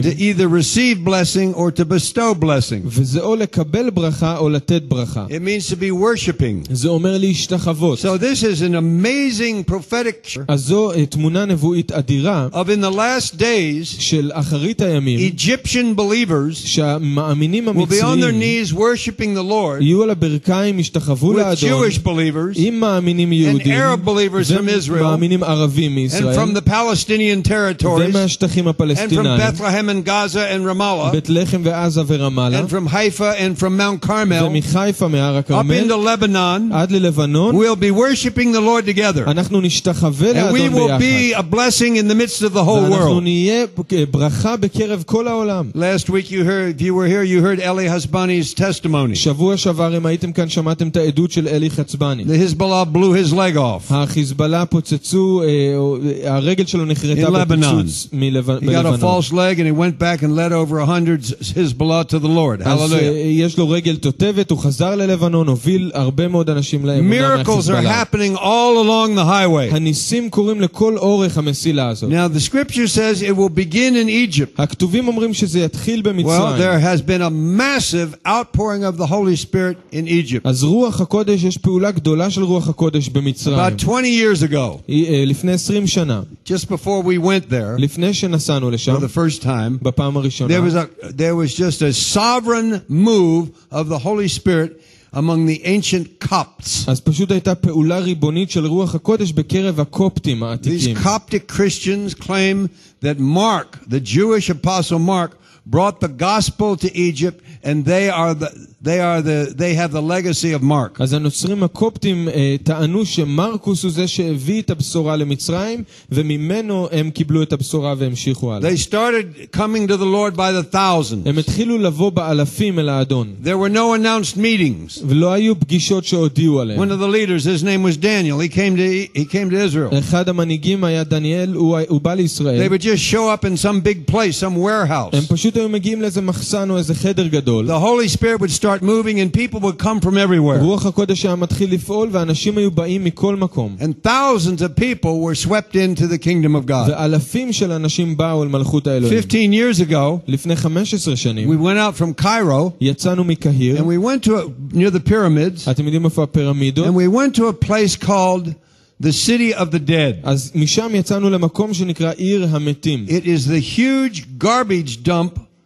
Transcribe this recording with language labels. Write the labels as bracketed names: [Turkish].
[English] And to either receive blessing or to bestow blessing. [Hebrew] וזה או לקבל ברכה או לתת ברכה. [English] It means to be worshiping. [Hebrew] זה אומר להשתחוות. [English] So this is an amazing prophetic. [Hebrew] אז זו תמונה נבואית אדירה. [English] Of in the last days. [Hebrew] של אחרית הימים. [English] Egyptian believers. [Hebrew] שהמאמינים המצרים. [English] Will be on their knees worshiping the Lord. [Hebrew] יהיו על הברכיים, ישתחוו לאדון. [English] With Jewish believers. [Hebrew] עם מאמינים יהודים. [English] And Arab believers from Israel. [Hebrew] ומאמינים ערבים מישראל. [English] And from the Palestinian territories. [Hebrew] השטחים הפלסטינאים. [English] And from Bethlehem and Gaza and Ramallah. [Hebrew] בית לחם ועזה ורמאללה. [English] And from Haifa and from Mount Carmel. [Hebrew] ומחיפה מהר הכרמל. [English] Up into Lebanon. [Hebrew] עד ללבנון. [English] We'll be worshiping the Lord together. [Hebrew] אנחנו נשתחווה לאדון ביחד. [English] And we will be a blessing in the midst of the whole world. [Hebrew] ואנחנו נהיה ברכה בקרב כל העולם. [English] Last week you heard Eli Hasbani's testimony. [Hebrew] שבוע שעבר אם הייתם כאן שמעתם את העדות של אלי חצבני. [English] The Hezbollah blew his leg off. [Hebrew] החיזבאללה פוצצו הרגל שלו נחרטה בפיצוץ. [English] He got a false leg and he went back and led over 100 Hezbollah to the Lord. Hallelujah. [Hebrew] יש לו רגל תותבת, הוא חזר ללבנון, הוביל הרבה מאוד אנשים לאמונה בחיזבאללה. [English] Miracles are happening all along the highway. [Hebrew] הניסים קורים לכל אורך המסילה הזאת. [English] Now the scripture says it will begin in Egypt. [Hebrew] הכתובים אומרים שזה יתחיל במצרים. [English] Well, there has been a massive outpouring of the Holy Spirit in Egypt. [Hebrew] אז רוח הקודש, יש פעולה גדולה של רוח הקודש במצרים. [English] About 20 years ago. [Hebrew] לפני 20 שנה. [English] Just before we went there. [Hebrew] לפני שנסענו לשם, [English] for the first time, [Hebrew] בפעם הראשונה, [English] there was just a sovereign move of the Holy Spirit among the ancient Copts. [Hebrew] אז פשוט הייתה פעולה ריבונית של רוח הקודש בקרב הקופטים העתיקים. [English] These Coptic Christians claim that Mark, the Jewish apostle Mark, brought the gospel to Egypt and they have the legacy of Mark. [Hebrew] אז הנוצרים הקופטים טענו שמרקוס הוא זה שהביא את הבשורה למצרים וממנו הם קיבלו את הבשורה והמשיכו הלאה. [English] They started coming to the Lord by the thousands. [Hebrew] הם התחילו לבוא באלפים אל האדון. [English] There were no announced meetings. [Hebrew] ולא היו פגישות שהודיעו עליהם. [English] One of the leaders, his name was Daniel. He came to Israel. [Hebrew] אחד המנהיגים היה דניאל, הוא בא לישראל. [English] They would just show up in some big place, some warehouse. [Hebrew] הם פשוט היו מגיעים לאיזה מחסן או איזה חדר גדול. [English] The Holy Spirit would start moving and people would come from everywhere. [Hebrew] רוח הקודש היה מתחיל לפעול ואנשים היו באים מכל מקום. [English] And thousands of people were swept into the kingdom of God. [Hebrew] ואלפים של אנשים באו אל מלכות האלוהים. [English] 15 years ago, [Hebrew] לפני 15 שנים, [English] we went out from Cairo, [Hebrew] יצאנו מקהיר, [English] and we went to near the pyramids, [Hebrew] אתם יודעים איפה הפירמידות, [English] and we went to a place called the city of the dead. [Hebrew] אז משם יצאנו למקום שנקרא עיר המתים. [English] It is the huge garbage dump